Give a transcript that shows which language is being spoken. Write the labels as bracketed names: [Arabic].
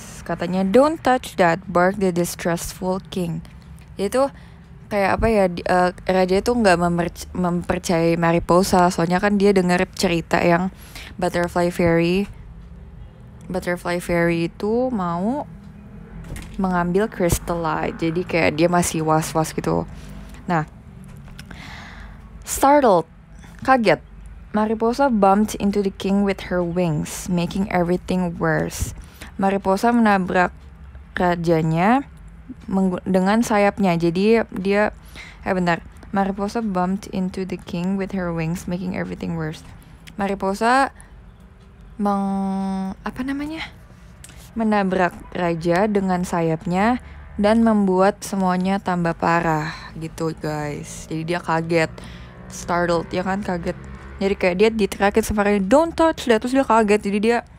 [Indonesian] Katanya [English] "don't touch that," barked the distrustful king. [Indonesian] Itu kayak apa ya, raja itu enggak mempercayai Mariposa, soalnya kan dia dengar cerita yang butterfly fairy itu mau mengambil crystallite. Jadi kayak dia masih was-was gitu. [English] Nah, startled, [Indonesian] kaget, [English] Mariposa bumped into the king with her wings, making everything worse. [Indonesian] Mariposa menabrak rajanya dengan sayapnya. Jadi dia, [English] Mariposa bumped into the king with her wings, making everything worse. [Indonesian] Mariposa menabrak raja dengan sayapnya dan membuat semuanya tambah parah. Gitu guys. Jadi dia kaget, [English] startled, [Indonesian] ya kan, kaget. Jadi kayak dia diterakit sama raja, [English] "don't touch that," [Indonesian] terus dia kaget. Jadi dia